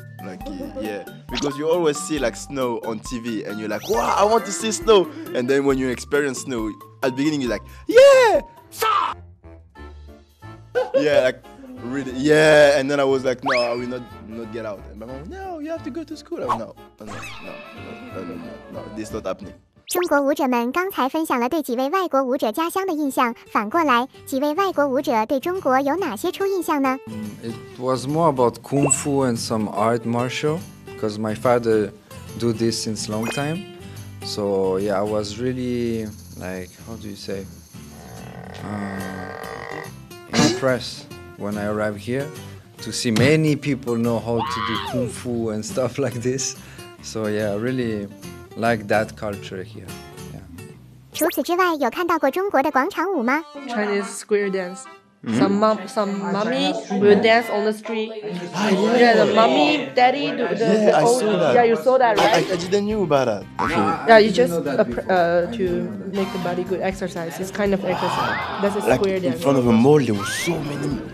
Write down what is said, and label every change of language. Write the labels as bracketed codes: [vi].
[en] Like, yeah, because you always see like snow on TV and you're like, wow, I want to see snow. And then when you experience snow, at the beginning, you're like, yeah, yeah, like, really, yeah. And then I was like, no, I will not get out. And my mom, no, you have to go to school. I'm like, no, this is not happening. [zh] 中国舞者们刚才分享了对几位外国舞者家乡的印象，反过来，几位外国舞者对中国有哪些初印象呢？ [en] It was more about kung fu and some art martial, because my father do this since long time. So yeah, I was really like, how do you say, impressed when I arrived here to see many people know how to do kung fu and stuff like this. So yeah, really. Like that culture here. Yeah. [zh] 除此之外，有看到过中国的广场舞吗 [en] ？Chinese square dance. Some mom, some mommy will dance on the street. Yeah, the mommy, daddy, yeah, I saw that. Yeah, you saw that, right? I didn't know about that. Okay. Yeah, you just to make the body good exercise. It's kind of exercise. That's a square dance. Like in front of a mall, there were so many